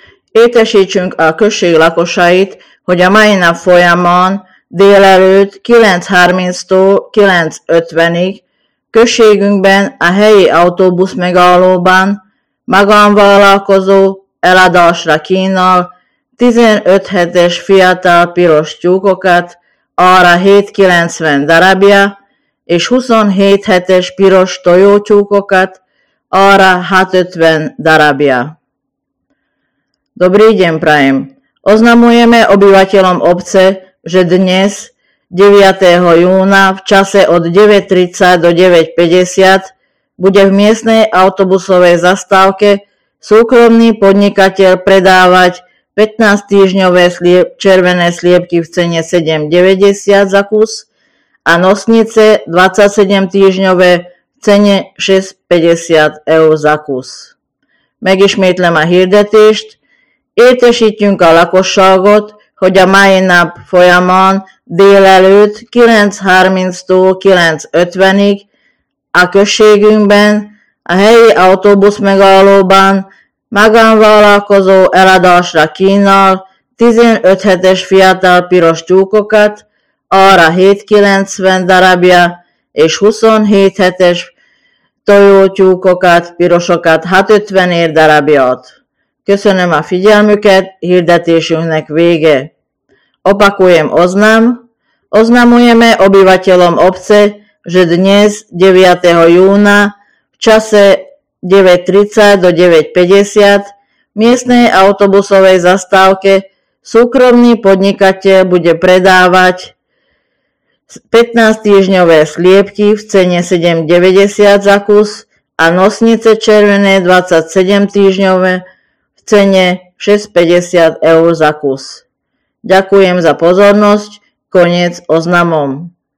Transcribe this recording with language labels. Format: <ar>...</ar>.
<hu>Értesítsünk a község lakosait, hogy a mai nap folyamán délelőtt 9:30-tól 9:50-ig községünkben a helyi autóbusz megállóban magánvállalkozó eladásra kínál 15 hetes fiatal piros tyúkokat, arra 790 darabja, és 27 hetes piros tojótyúkokat, ára 650 darabia.</hu> <sk>Dobrý deň, prajem. Oznamujeme obyvateľom obce, že dnes, 9. júna, v čase od 9:30 do 9:50, bude v miestnej autobusovej zastávke súkromný podnikateľ predávať 15-týždňové červené sliepky v cene 7,90 za kus a nosnice 27-týždňové cene 6,50 eur za kusz.</sk> <hu>Megismétlem a hirdetést. Értesítjünk a lakosságot, hogy a mai nap folyamán délelőtt 9:30-tól 9:50-ig a községünkben a helyi autóbusz megállóban magánvállalkozó eladásra kínál 15 hetes fiatal piros tyúkokat, arra 790 darabja és 27 hetes tojótyúkokat, pirosokat, 650 ér darabját. Köszönöm a figyelmüket, hirdetésünknek vége.</hu> <sk>Opakujem oznam. Oznamujeme obyvateľom obce, že dnes, 9. júna, v čase 9:30 do 9:50, v miestnej autobusovej zastávke súkromný podnikateľ bude predávať 15-týždňové sliepky v cene 7,90 za kus a nosnice červené 27-týždňové v cene 6,50 eur za kus. Ďakujem za pozornosť. Koniec oznamom.</sk>